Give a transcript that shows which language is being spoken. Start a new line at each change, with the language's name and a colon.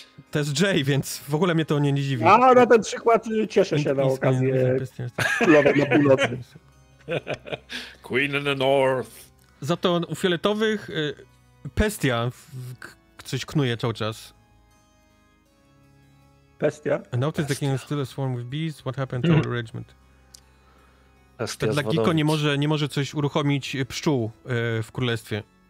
Polish: To jest Jay, więc w ogóle mnie to nie dziwi. A na ten przykład cieszę się na okazję. Królowa północy.
English: Queen in the North.
Polish: Za to u fioletowych Pestia coś knuje cały czas. Pestia?
English: I noticed the king is still a swarm with bees. What happened to our regiment?
Polish: Pestia dla Giko nie może coś uruchomić pszczół w królestwie.